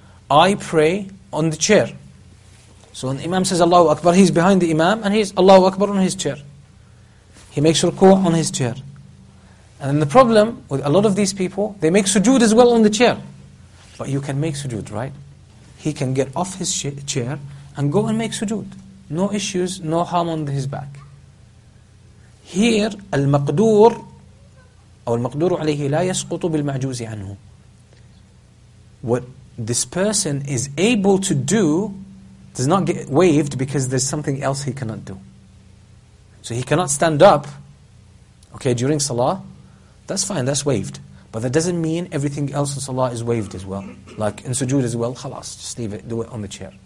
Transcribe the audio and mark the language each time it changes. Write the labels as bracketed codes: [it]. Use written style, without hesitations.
[en] I pray on the chair. So when the imam says Allahu Akbar, he's behind the imam, and he's Allahu Akbar on his chair. He makes ruku' on his chair. And then the problem with a lot of these people, they make sujood as well on the chair. But you can make sujood, right? He can get off his chair and go and make sujood. No issues, no harm on his back. [ar] Here, al-maqdur, أو المقدور عليه لا يسقط بالمعجوز عنه. [en] What this person is able to do does not get waived because there's something else he cannot do. So he cannot stand up, okay, during salah, that's fine, that's waived. But that doesn't mean everything else in salah is waived as well. Like in sujood as well, خلاص, just leave it, do it on the chair.